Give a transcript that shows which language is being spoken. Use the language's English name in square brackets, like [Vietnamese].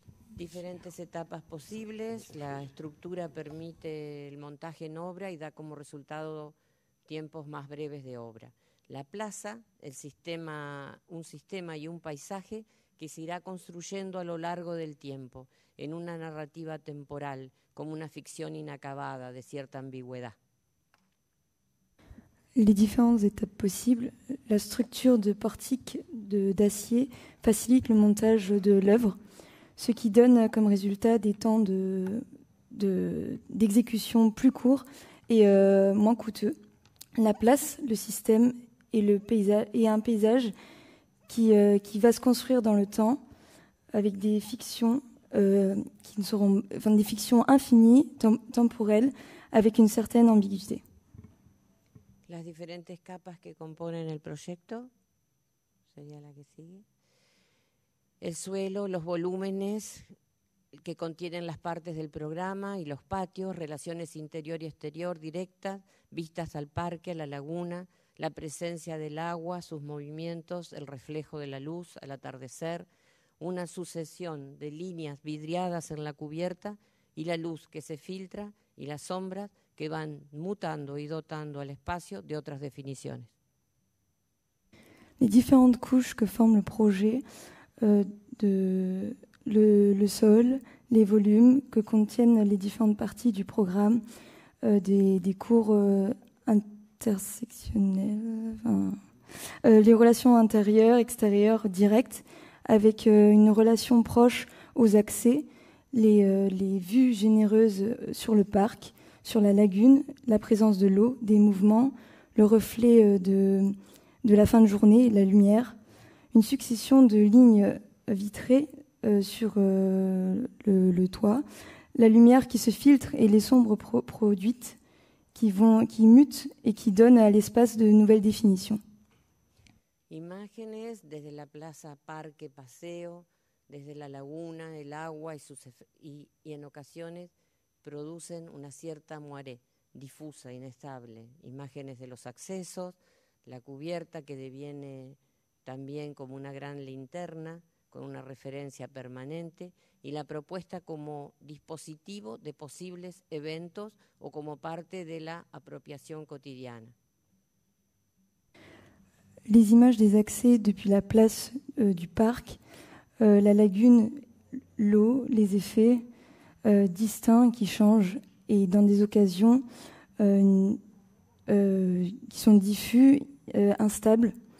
[Spanish] Diferentes etapas posibles. La estructura permite el montaje en obra y da como resultado tiempos más breves de obra. La plaza, el sistema, un sistema y un paisaje que se irá construyendo a lo largo del tiempo, en una narrativa temporal, como una ficción inacabada de cierta ambigüedad. [French] Les différentes étapes possibles, la structure de portique d'acier facilite le montage de l'œuvre, ce qui donne comme résultat des temps d'exécution plus courts et moins coûteux. La place, le système et le paysage, et un paysage qui va se construire dans le temps avec des fictions qui ne seront, enfin, des fictions infinies, temporelles, avec une certaine ambiguïté. [Spanish] Las diferentes capas que componen el proyecto, sería la que sigue. El suelo, los volúmenes que contienen las partes del programa y los patios, relaciones interior y exterior directas, vistas al parque, a la laguna, la presencia del agua, sus movimientos, el reflejo de la luz al atardecer, una sucesión de líneas vidriadas en la cubierta y la luz que se filtra y las sombras que van mutando y dotando al espacio de otras definiciones. [French] Les différentes couches que forment le projet, le sol, les volumes que contiennent les différentes parties du programme, des cours intersectionnels, les relations intérieures, extérieures, directes, avec une relation proche aux accès, les vues généreuses sur le parc, sur la lagune, la présence de l'eau, des mouvements, le reflet de la fin de journée, la lumière, une succession de lignes vitrées sur le toit, la lumière qui se filtre et les sombres produites qui mutent et qui donnent à l'espace de nouvelles définitions. [Spanish] Imágenes desde la plaza, parque, paseo, desde la laguna, el agua y en ocasiones producen una cierta moiré difusa, inestable. Imágenes de los accesos, la cubierta que deviene también como una gran linterna con una referencia permanente y la propuesta como dispositivo de posibles eventos o como parte de la apropiación cotidiana. [French] Les images des accès depuis la place du parc, la lagune, l'eau, les effets distincts qui changent et dans des occasions qui sont diffus, instables.